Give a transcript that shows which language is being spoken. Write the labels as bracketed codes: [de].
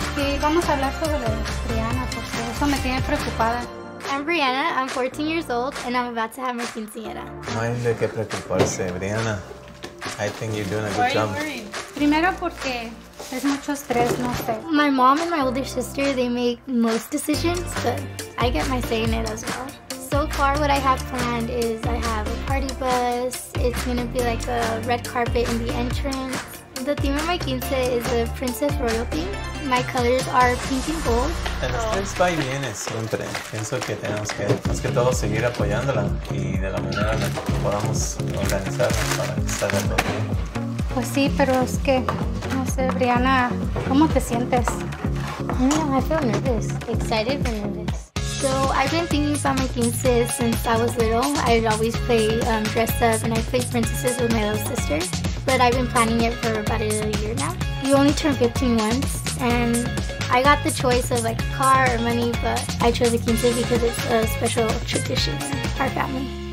[es] Sí, vamos a hablar sobre Brianna, porque eso me tiene preocupada. [en] I'm Brianna, I'm 14 years old, and I'm about to have my quinceañera. [es] No hay de qué preocuparse, Brianna. [en] I think you're doing a good job. Why are you worried? [es] Primero porque es mucho estrés, no sé. [en] My mom and my older sister, they make most decisions, but I get my say in it as well. So far, what I have planned is I have a party bus. It's going to be like a red carpet in the entrance. The theme of my quince is a princess royal theme. My colors are pink and gold. [es] El estrés va y viene siempre. Pienso que tenemos que, más que todo, seguir apoyándola y de la manera en que podamos organizar para que salga todo bien. Pues sí, pero es que, no sé, Brianna, ¿cómo te sientes? [en] No, I feel nervous. Excited and nervous. So I've been thinking about my quince since I was little. I would always play dress up and I played princesses with my little sister. But I've been planning it for about a year now. You only turn 15 once, and I got the choice of like a car or money, but I chose the quince because it's a special tradition in our family.